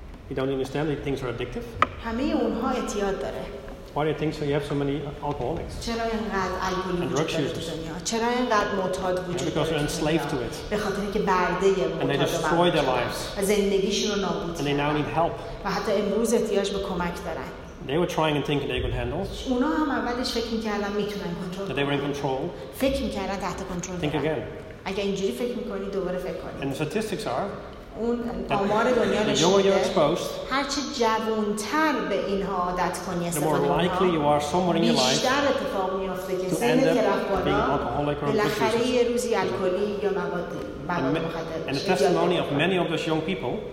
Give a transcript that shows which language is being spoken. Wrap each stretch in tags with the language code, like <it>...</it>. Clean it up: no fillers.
<en>You don't understand that things are addictive.</en> <fa>همه اونها اعتیاد داره.</fa> <en>Why do you think so? You have so many alcoholics.</en> <fa>چرا اینقدر الکلی وجود داره تو دنیا؟ چرا اینقدر معتاد وجود داره؟</fa> <en>Because they're enslaved to it.</en> <fa>به خاطر اینکه برده معتاد.</fa> <en>And they destroy their lives.</en> <fa>زندگیشون رو نابود کردن.</fa> <en>And they now need help.</en> <fa>و حتی امروز احتیاج به کمک دارن.</fa> <en>They were trying and thinking they could handle.</en> <fa>اونا هم اولش فکر می‌کردن میتونن کنترل.</fa> <en>That they were in control.</en> <fa>فکر می‌کردن تحت کنترل.</fa> <en>Think again.</en> <fa>اگه اینجوری فکر می‌کنی دوباره فکر کن.</fa> <en>And the statistics are.</en> <fa>اون آمار دنیا نشون هر چه جوان‌تر به اینها عادت کنی استفاده کنی بیشتر اتفاق میافته که سن که رفت بالا بالاخره یه روزی الکلی یا مواد</fa> <en>And a testimony of many of those young people</en>